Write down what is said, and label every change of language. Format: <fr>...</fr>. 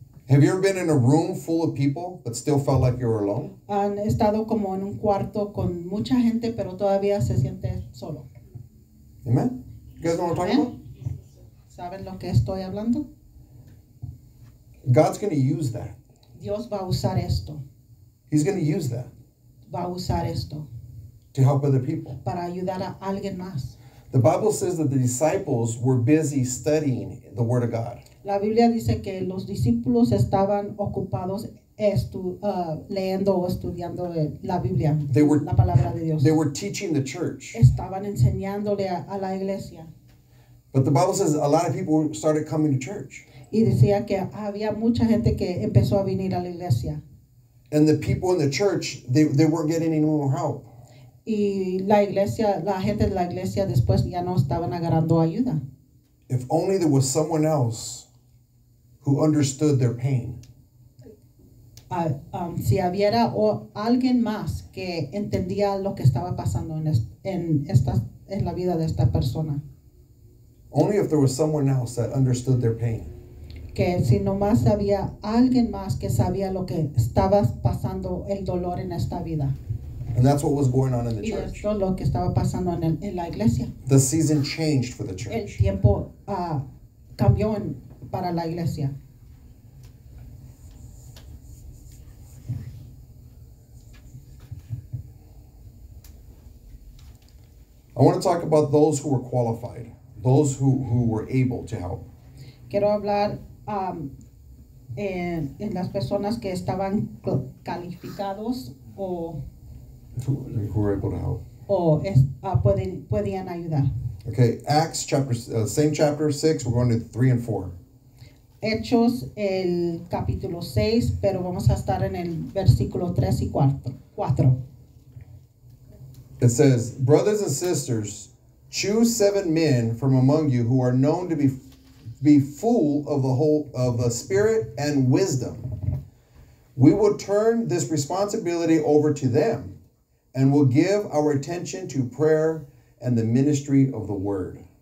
<en>Have you ever been in a room full of people but still felt like you were alone?</en> <es>Han estado como en un cuarto con mucha gente pero todavía se siente solo.</es> <en>Amen. You guys know what I'm talking about?</en> <es>¿Saben lo que estoy hablando?</es> <en>God's going to use that.</en> <es>Dios va a usar esto.</es> <en>He's going to use that.</en> <es>Va a usar esto.</es> <en>To help other people.</en> <es>Para ayudar a alguien más.</es> <en>The Bible says that the disciples were busy studying the Word of God.</en> <es>La Biblia dice que los discípulos estaban ocupados leyendo o estudiando la Biblia, la palabra de Dios.</es> <en>They were teaching the church.</en> <es>Estaban enseñándole a la iglesia.</es> <en>But the Bible says a lot of people started coming to church.</en> <es>Y decía que había mucha gente que empezó a venir a la iglesia.</es> <en>And the people in the church, they weren't getting any more help.</en> <es>Y la iglesia, la gente de la iglesia después ya no estaban agarrando ayuda.</es> <en>If only there was someone else who understood their pain.</en> <es>Si hubiera alguien más que entendía lo que estaba pasando en la vida de esta persona.</es> <en>Only if there was someone else that understood their pain.</en> <es>Que si nomás había alguien más que sabía lo que estaba pasando el dolor en esta vida.</es> <en>And that's what was going on in the church.</en> <es>Y esto lo que estaba pasando en la iglesia.</es> <en>The season changed for the church.</en> <es>El tiempo cambió para la iglesia.</es> <en>I want to talk about those who were qualified. Those who were able to help.</en> <es>Quiero hablar en las personas que estaban calificados o</es> <en>who were able to help.</en> <es>O podían ayudar.</es> <en>Okay, Acts chapter, same chapter 6, we're going to 3 and 4.</en> <es>Hechos el capítulo 6, pero vamos a estar en el versículo 3 y 4.</es> <en>It says, brothers and sisters, choose 7 men from among you who are known to be full of the whole of the spirit and wisdom. We will turn this responsibility over to them and will give our attention to prayer and the ministry of the word.</en>